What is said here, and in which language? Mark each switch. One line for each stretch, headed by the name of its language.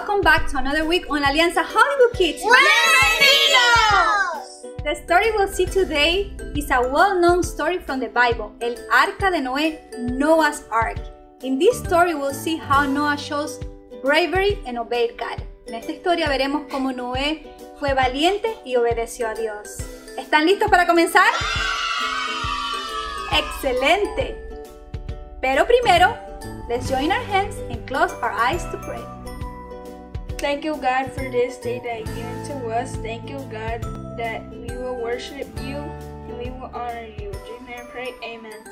English: back to another week on Alianza Hollywood Kids.
Spanish: ¡Bienvenidos!
English: The story we'll see today is a well-known story from the Bible, El Arca de Noé, Noah's Ark. In this story, we'll see how Noah shows bravery and obeyed God.
Spanish: En esta historia veremos cómo Noé fue valiente y obedeció a Dios. ¿Están listos para comenzar? ¡Excelente! Pero primero,
English: let's join our hands and close our eyes to pray. Thank you, God, for this day that you gave to us. Thank you, God, that we will worship you and we will honor you. Dream and pray, amen.